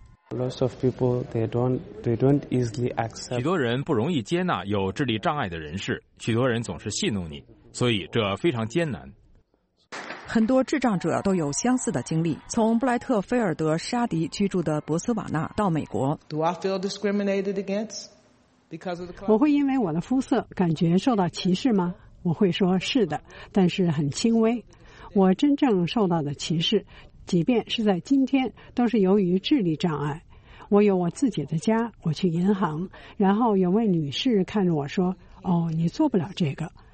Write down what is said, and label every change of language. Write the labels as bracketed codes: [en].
[zh] 许多人不容易接纳有智力障碍的人士，许多人总是戏弄你，所以这非常艰难。很多智障者都有相似的经历，从布莱特菲尔德沙迪居住的博斯瓦纳到美国。 [en] Do I feel discriminated against because of the color? [zh] 我会因为我的肤色感觉受到歧视吗？我会说是的，但是很轻微。我真正受到的歧视，即便是在今天，都是由于智力障碍。我有我自己的家，我去银行，然后有位女士看着我说，哦，你做不了这个。